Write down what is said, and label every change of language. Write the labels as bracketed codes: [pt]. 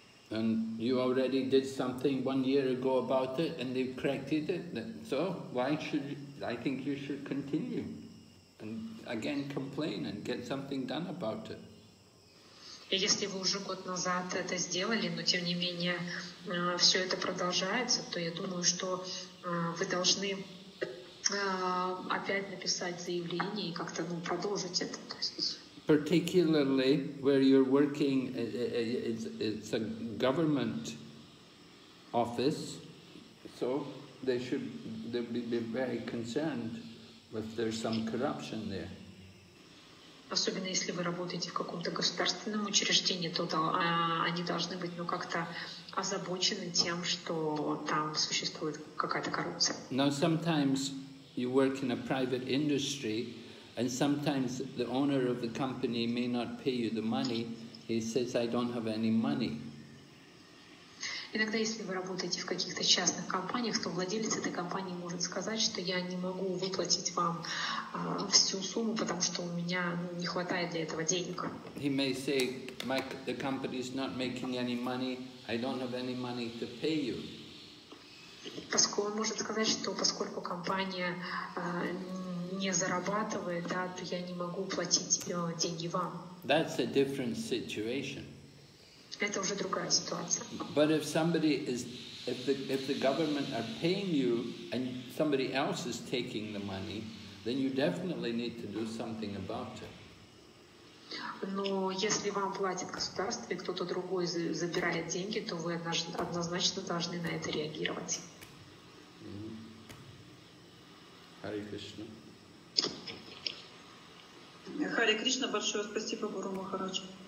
[en] And you already did something 1 year ago about it, and they've corrected it. So why should you, I think you should continue and again complain and get something done about it? [ru] Если вы уже год назад это сделали, но тем не менее все это продолжается, то я думаю, что вы должны опять написать заявление и как-то продолжить это. [en] Particularly where you're working, it's a government office, so they'd be very concerned if there's some corruption there. [ru] Особенно если вы работаете в каком-то государственном учреждении, то они должны быть как-то озабочены тем, что там существует какая-то коррупция. [en] Now sometimes you work in a private industry. And sometimes the owner of the company may not pay you the money. He says, "I don't have any money." [ru] Иногда, если вы работаете в каких-то частных компаниях, то владелец этой компании может сказать, что я не могу выплатить вам всю сумму, потому что у меня не хватает для этого денег. [en] He may say, "Mike, the company is not making any money. I don't have any money to pay you." [ru] Поскольку он может сказать, что поскольку компания не зарабатывает, да, то я не могу платить деньги вам. [en] That's a different situation. [ru] Это уже другая ситуация. [en] But if somebody is, if the government are paying you and somebody else is taking the money, then you definitely need to do something about it. [ru] Но если вам платит государство и кто-то другой забирает деньги, то вы однозначно должны на это реагировать. [en] Hare Krishna. [ru] Hare Krishna, большое спасибо, Гуру Махарадж.